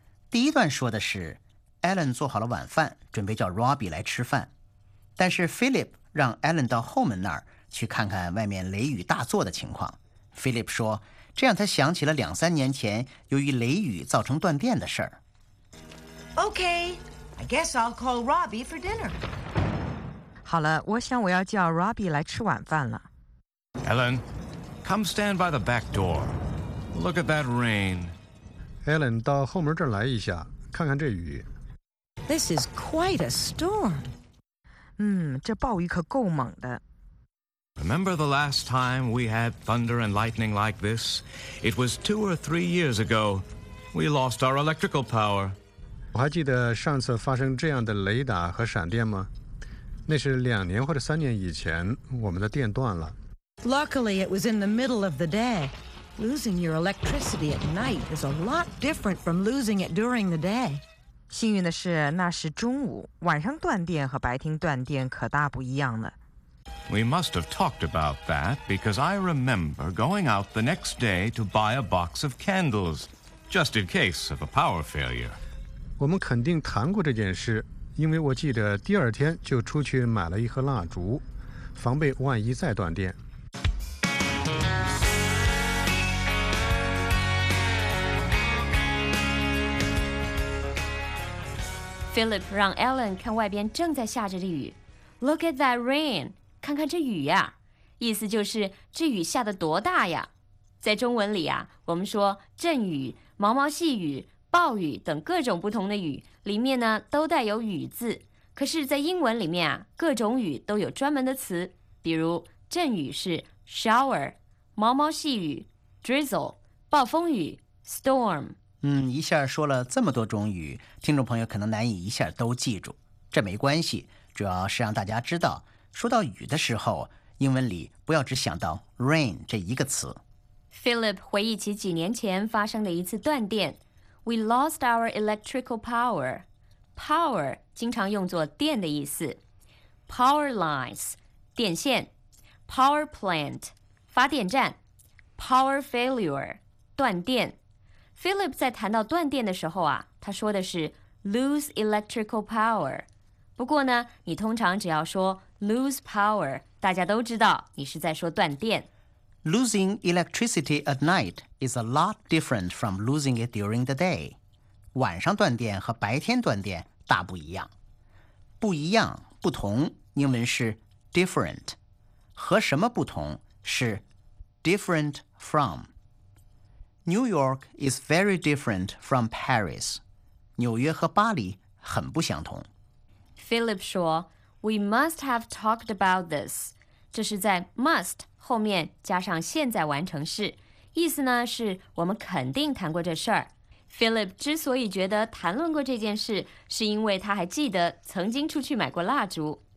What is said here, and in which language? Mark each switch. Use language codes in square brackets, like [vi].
[zh] 第一段说的是 Ellen 做好了晚饭，准备叫 Robbie 来吃饭，但是 Philip 让 Ellen 到后门那儿去看看外面雷雨大作的情况。 Philip 说这样他想起了两三年前由于雷雨造成断电的事儿。 [en] Okay, I guess I'll call Robbie for dinner. [zh] 好了，我想我要叫 Robbie 来吃晚饭了。 [en] Ellen, come stand by the back door. Look at that rain. [zh] Ellen, 到后门这儿来一下，看看这雨。 [en] This is quite a storm. [zh] 这暴雨可够猛的。 [en] Remember the last time we had thunder and lightning like this? It was 2 or 3 years ago. We lost our electrical power. [zh] 我还记得上次发生这样的雷打和闪电吗？那是2年或者3年以前，我们的电断了。 [en] Luckily, it was in the middle of the day. Losing your electricity at night is a lot different from losing it during the day. [zh] 幸运的是，那是中午，晚上断电和白天断电可大不一样了。 [en] We must have talked about that because I remember going out the next day to buy a box of candles, just in case of a power failure. [zh] 我们肯定谈过这件事，因为我记得第二天就出去买了一盒蜡烛，防备万一再断电。 Philip 让 Ellen 看外边正在下着的雨。 [en] Look at that rain. [zh] 看看这雨呀，意思就是这雨下得多大呀。在中文里啊，我们说阵雨、毛毛细雨、暴雨等各种不同的雨里面呢都带有雨字，可是在英文里面啊，各种雨都有专门的词，比如阵雨是 shower， 毛毛细雨 drizzle， 暴风雨 storm。一下说了这么多种雨，听众朋友可能难以一下都记住，这没关系，主要是让大家知道说到雨的时候，英文里不要只想到 rain 这一个词。 Philip 回忆起几年前发生的一次断电。 [en] We lost our electrical power. [zh] Power 经常用作电的意思。 [en] Power lines 电线。 Power plant 发电站。 Power failure 断电。 [zh] Philip 在谈到断电的时候啊，他说的是 [en] lose electrical power。 [zh] 不过呢，你通常只要说lose power， 大家都知道你是在说断电。 [en] Losing electricity at night is a lot different from losing it during the day. [zh] 晚上断电和白天断电大不一样。不一样，不同，英文是 different。和什么不同是 different from。 [en] New York is very different from Paris. [zh] 纽约和巴黎很不相同。 [en] Philip 说We must have talked about this. [zh] 这是在 must 后面加上现在完成式，意思呢是我们肯定谈过这事儿。 Philip 之所以觉得谈论过这件事，是因为他还记得曾经出去买过蜡烛。